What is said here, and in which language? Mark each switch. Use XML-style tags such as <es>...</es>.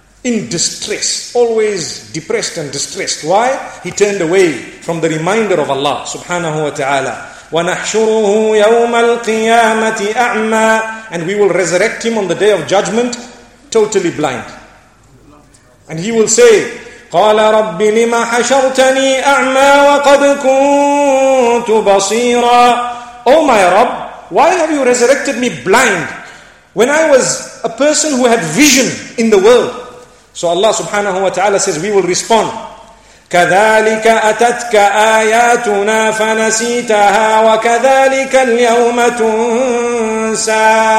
<en>In distress, always depressed and distressed. Why? He turned away from the reminder of Allah subhanahu wa ta'ala.</en> <ar>وَنَحْشُرُهُ يَوْمَ الْقِيَامَةِ أَعْمَى,</ar> <en>and we will resurrect him on the Day of Judgment totally blind. And he will say,</en> <ar>قَالَ رَبِّ لِمَ حَشَرْتَنِي أَعْمَى وَقَدْ كُنْتُ بَصِيرًا.</ar> <en>Oh my Rabb, why have you resurrected me blind when I was a person who had vision in the world? So Allah subhanahu wa ta'ala says, we will respond.</en> <ar>كَذَلِكَ أَتَتْكَ آيَاتُنَا فَنَسِيتَهَا وَكَذَلِكَ الْيَوْمَ تُنْسَى.</ar>